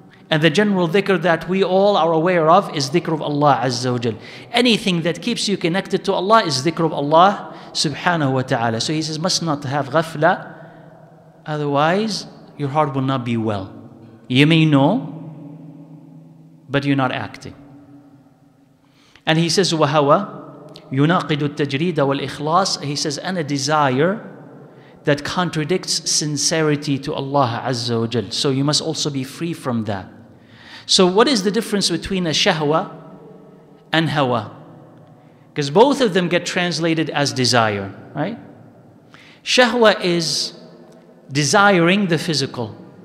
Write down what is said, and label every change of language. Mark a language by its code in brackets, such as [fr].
[en] And the general dhikr that we all are aware of is dhikr of Allah Azza wa Jal. Anything that keeps you connected to Allah is dhikr of Allah subhanahu wa ta'ala. So he says, must not have ghafla, otherwise your heart will not be well. You may know, but you're not acting. [ar] And he says, وَهَوَى يُنَاقِدُ التَّجْرِيدَ وَالْإِخْلَاصِ. [en] He says, and a desire that contradicts sincerity to Allah Azza wa Jal. So you must also be free from that. So what is the difference between a shahwa and hawa? Because both of them get translated as desire, right? Shahwa is desiring the physical.